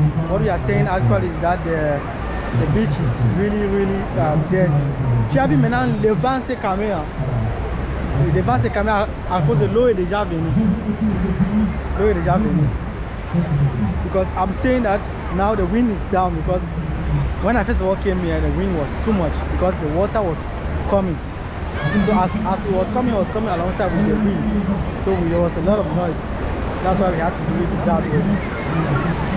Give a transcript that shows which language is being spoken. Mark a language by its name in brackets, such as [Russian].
[English] What we are saying actually is that the beach is really dead. [French] Tu as vu maintenant le vent s'est calmé. Le vent s'est calmé à cause de l'eau est déjà venue. L'eau est déjà venue. [English] Because I'm saying that now the wind is down, because when I first of all came here, the wind was too much because the water was coming. So as it was coming alongside with the wind. So there was a lot of noise. That's why we had to do it that way.